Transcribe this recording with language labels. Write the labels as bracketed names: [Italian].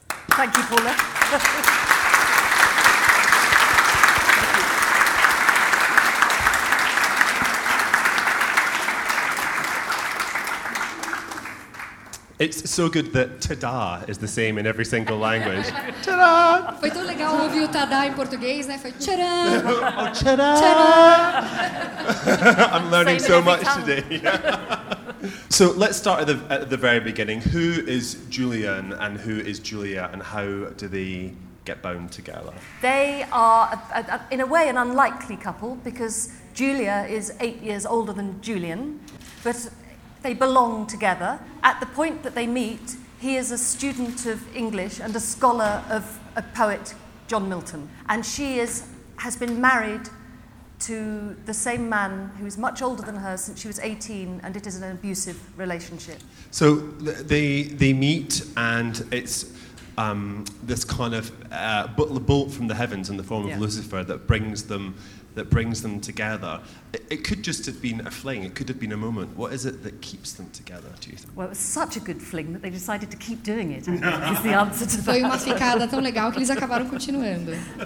[English] Thank you, Paula. It's so good that ta-da is the same in every single language. Ta-da! [Portuguese] Foi tão legal ouvir o ta-da em português, né? Foi tcharã! Oh, tcharã! [English] I'm learning so much today. So let's start at the very beginning. Who is Julian and who is Julia and how do they get bound together? They are, in a way, an unlikely couple because Julia is 8 years older than Julian, but they belong together. At the point that they meet, he is a student of English and a scholar of a poet, John Milton. And she has been married to the same man who is much older than her since she was 18, and it is an abusive relationship. So they meet, and it's this kind of bolt from the heavens in the form of Lucifer that brings them together. It could just have been a fling. It could have been a moment. What is it that keeps them together, do you think? Well, it was such a good fling that they decided to keep doing it, I think, is the answer to that. [Portuguese] Foi uma ficada tão legal que eles acabaram continuando.